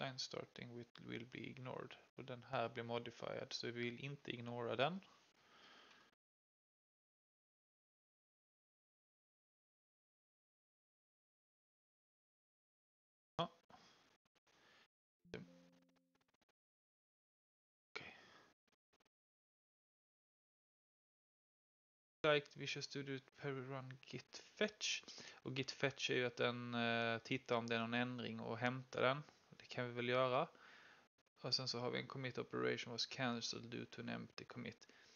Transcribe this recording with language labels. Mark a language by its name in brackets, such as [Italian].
[English] Line starting with will be ignored. [Swedish] Och den här blir modified så vi vill inte ignora den. Visual Studio Perl Run Git Fetch. Och Git Fetch är ju att den tittar om det är någon ändring och hämtar den. Det kan vi väl göra. Och sen så har vi en [English] commit operation was cancelled due to an empty commit.